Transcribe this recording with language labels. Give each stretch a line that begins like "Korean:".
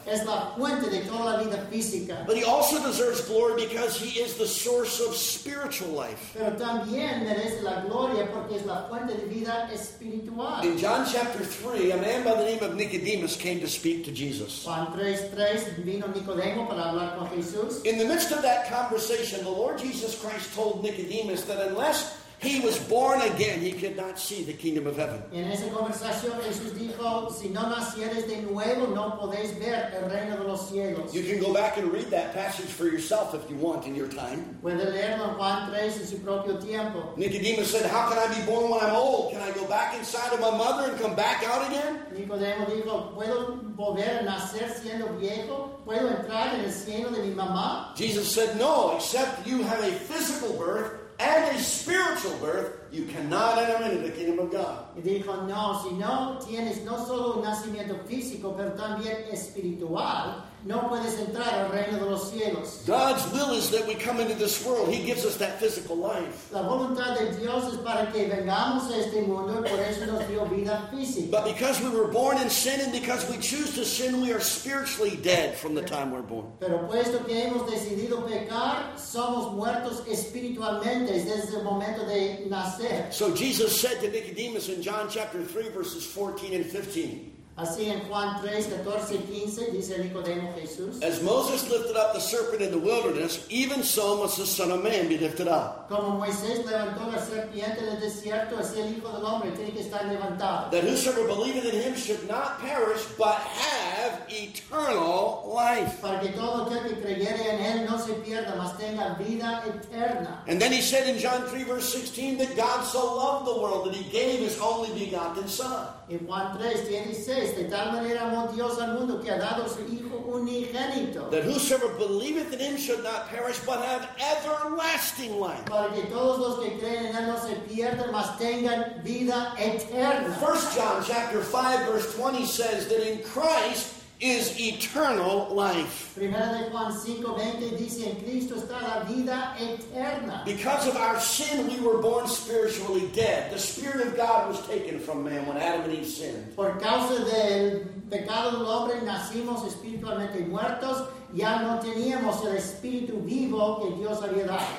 Spanish: Es la fuente de toda la vida física.
English: But he also deserves glory because he is the source of spiritual life.
Spanish: Pero también merece la gloria porque es la fuente de vida espiritual.
English: In John chapter 3, a man by the name of Nicodemus came to speak to Jesus.
Spanish: Juan 3:3, vino Nicodemo para hablar con Jesús.
English: In the midst of that conversation, the Lord Jesus Christ told Nicodemus that unless he was born again, he could not see the kingdom of heaven.
Spanish: En esa conversación, Jesús dijo, si no nacieres de nuevo, no podéis ver el reino de los cielos.
English: You can go back and read that passage for yourself if you want in your time.
Spanish: Puede leerlo en Juan 3 en su propio tiempo.
English: Nicodemus said, how can I be born when I'm old? Can I go back inside of my mother and come back out again?
Spanish: Nicodemo dijo, ¿puedo volver a nacer siendo viejo? ¿Puedo entrar en el seno de mi mamá?
English: Jesus said, no, except you have a physical birth and a spiritual birth, You cannot enter into the kingdom of God.
Spanish: Y dijo, no, si no tienes no solo un nacimiento físico, pero también espiritual, no puedes entrar al reino de los cielos.
English: God's will is that we come into this world. He gives us that physical life.
Spanish: La voluntad de Dios es para que vengamos a este mundo, y por eso nos dio vida física.
English: But because we were born in sin and because we choose to sin, we are spiritually dead from the time we're born.
Spanish: Pero puesto que hemos decidido pecar, somos muertos espiritualmente desde el momento de nacer.
English: So Jesus said to Nicodemus in John chapter 3 verses 14 and 15.
Spanish: Así en Juan 3, 14 y 15, dice Nicodemo Jesús.
English: As Moses lifted up the serpent in the wilderness, even so must the Son of Man be lifted up.
Spanish: Como Moisés levantó la serpiente en el desierto, así el Hijo del Hombre tiene que estar levantado.
English: That whosoever believeth in him should not perish, but have eternal life.
Spanish: Para que todo aquel que creyere en él no se pierda, mas tenga vida eterna.
English: And then he said in John 3, verse 16, that God so loved the world that he gave his only begotten Son.
Spanish: En Juan 3, 16, de tal manera amó Dios al mundo que ha dado su Hijo unigénito.
English: That whosoever believeth in him should not perish, but have everlasting life.
Spanish: Para que todos los que creen en él no se pierdan, mas tengan vida eterna.
English: 1 John chapter 5, verse 20 says that in Christ is eternal life.
Spanish: Primera de Juan 5:20 dice en Cristo está la vida eterna.
English: Because of our sin, we were born spiritually dead. The spirit of God was taken from man when Adam and Eve sinned.
Spanish: Por causa del pecado del hombre nacimos espiritualmente muertos. Ya no teníamos el espíritu vivo que Dios había dado.